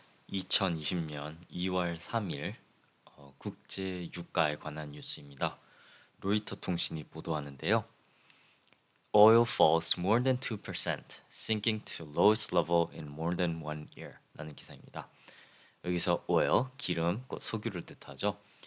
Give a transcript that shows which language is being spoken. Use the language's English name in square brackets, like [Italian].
[Korean] 2020년 2월 3일 국제 유가에 관한 뉴스입니다. 로이터 통신이 보도하는데요. [English] Oil falls more than 2%, sinking to lowest level in more than 1 year. [Korean] 라는 기사입니다. 여기서 oil, 기름, 곧 석유를 뜻하죠.